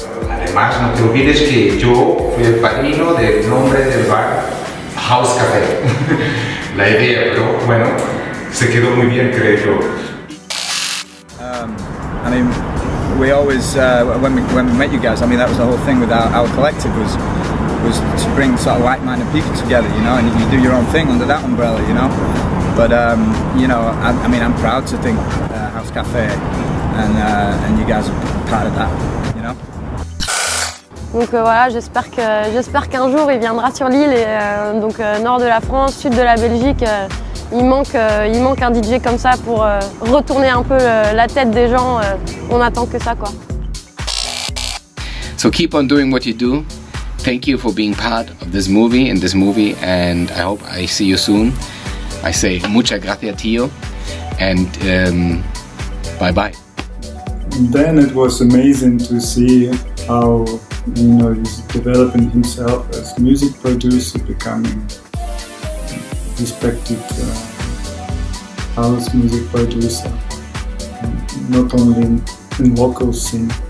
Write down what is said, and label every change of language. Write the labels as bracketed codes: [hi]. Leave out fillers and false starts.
[es] Además, no te olvides que yo fui el padrino del nombre del bar House Café. La idea, pero bueno, se quedó muy bien, creo yo. [en] We always, when we met you guys, I mean, that was the whole thing with our collective, was to bring sort of like-minded people together, you know, and you do your own thing under that umbrella, you know. But, you know, I mean, I'm proud to think House Café and you guys are part of that. [fr] Donc voilà, j'espère qu'un jour il viendra sur l'île, et donc nord de la France, sud de la Belgique, il manque un DJ comme ça pour retourner un peu la tête des gens. On attend que ça, quoi. [en] So keep on doing what you do, thank you for being part of this movie, in this movie, and I hope I see you soon. I say [es] muchas gracias, tío, [en] and bye-bye. Then it was amazing to see how, you know, he's developing himself as music producer, becoming respected house music producer, not only in local scene.